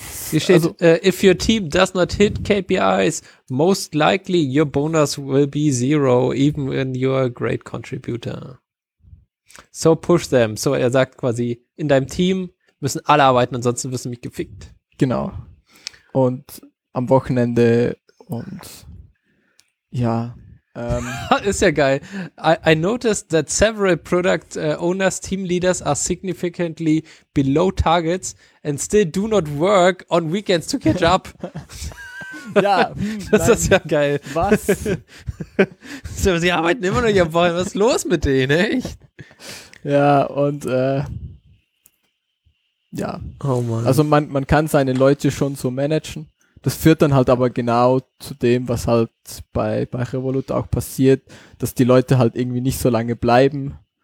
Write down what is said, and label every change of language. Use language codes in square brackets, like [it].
[de] Hier steht, also, [en] if your team does not hit KPIs, most likely your bonus will be zero, even when you're a great contributor. So push them. [de] So er sagt quasi, in deinem Team müssen alle arbeiten, ansonsten wirst du mich gefickt. Genau. Und am Wochenende und ja, ist ja geil. [en] I noticed that several product owners, team leaders are significantly below targets and still do not work on weekends to catch up. [de] Ja, das ist ja geil. Was? Sie arbeiten immer noch hier vorhin. Was ist los mit denen, echt? Ja, und ja. Oh Mann. Also man kann seine Leute schon so managen. Das führt dann halt aber genau zu dem, was halt bei Revolut auch passiert, dass die Leute halt irgendwie nicht so lange bleiben.